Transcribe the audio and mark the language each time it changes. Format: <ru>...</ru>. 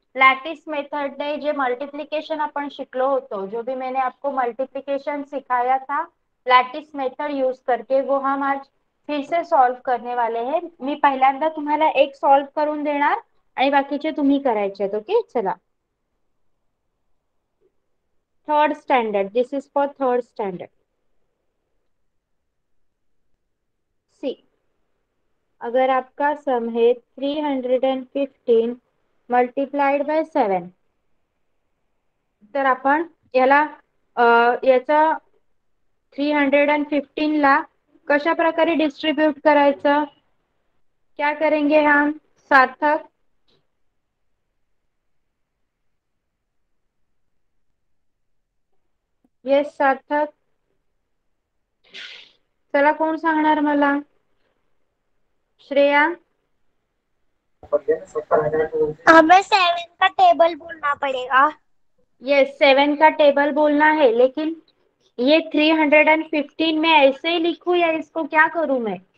<hi>Lattice method ने जो multiplication</hi> <mr>अपन शिकलो होतो,</mr> <hi>जो भी मैंने आपको मल्टीप्लिकेशन सिखाया था लैटिस मेथड यूज करके, वो हम आज फिर से सॉल्व करने वाले हैं।</hi> <mr>मी पहिल्यांदा तुम्हाला एक सॉल्व करून देणार आणि बाकीचे तुम्ही करायचे। ओके, चला।</mr> <en>Third standard, this is for third standard.</en> <hi>अगर आपका सम है</hi> <mr>315 मल्टीप्लाइड बाय 7, तर आपण याला याचा 315 ला कशा प्रकारे डिस्ट्रीब्यूट करायचं?</mr> <hi>क्या करेंगे हम सार्थक?</hi> <mr>यस सार्थक, चला कोण सांगणार मला? श्रेया,</mr> <hi>हमें 7 का टेबल बोलना पड़ेगा। यस, 7 का टेबल बोलना है, लेकिन ये 315 में ऐसे ही लिखूं या इसको क्या करूं मैं?</hi>